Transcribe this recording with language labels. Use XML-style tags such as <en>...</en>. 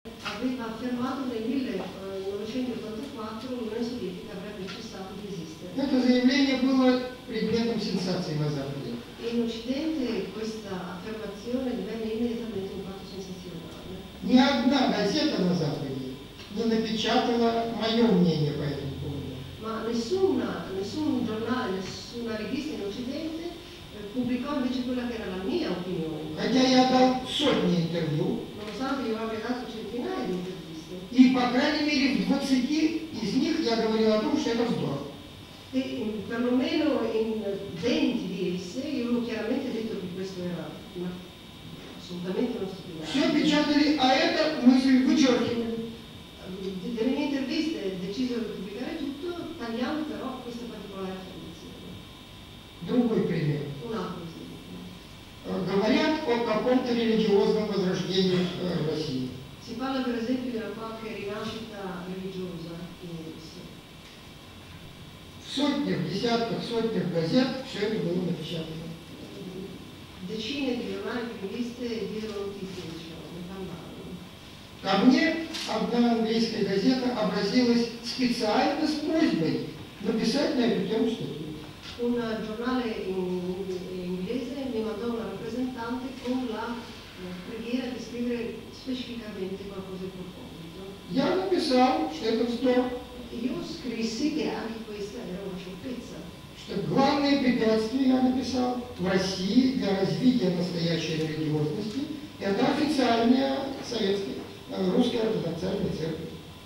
<it>Avete affermato nel 1984 l'università che avrebbe cessato di esistere.</it> <ru>Это заявление было предметом сенсации на Западе.</ru> <it>E in Occidente questa affermazione divenne immediatamente un fatto sensazionale.</it> <ru>Ни одна газета на Западе не напечатала мое мнение по этому поводу.</ru> <it>Ma nessuna, nessun giornale, nessuna rivista in Occidente pubblicò invece quella che era la mia opinione.</it> <ru>Хотя я дал сотни интервью.</ru> <it>Nonostante io abbia dato centinaia di interviste.</it> <ru>И по крайней мере в 20 из них я говорил о том, что это здорово.</ru> <it>E perlomeno in 20 di esse io ho chiaramente detto che questo era una... assolutamente non stupido.</it> <ru>Все печатали, а это мысль вычеркиваем.</ru> <it>Delle mie interviste decisero di pubblicare tutto, tagliamo però questa particolare affermazione.</it> <ru>Другой пример.</ru> <it>Un altro esempio.</it> <ru>Говорят о каком-то религиозном возрождении в России.</ru> <it>Si parla per esempio della qualche rinascita religiosa in esse.</it> <ru>В сотнях, десятках, сотнях газет все это было напечатано.</ru> <it>Decine di giornali, di riviste diedero notizie, diciamo, ne parlavano.</it> <ru>Ко мне одна английская газета обратилась специально с просьбой написать на эту тему статью.</ru> <it>Un giornale inglese mi mandò una rappresentante con la preghiera di scrivere specificamente qualcosa in proposito.</it> <ru>Я написал, что это вздор.</ru> <it>Io scrissi che anche questa era una sciocchezza.</it> <ru>Что главное препятствие, я написал, в России для развития настоящей религиозности, это официальная советская. Русская ортодоксальная церковь.</ru>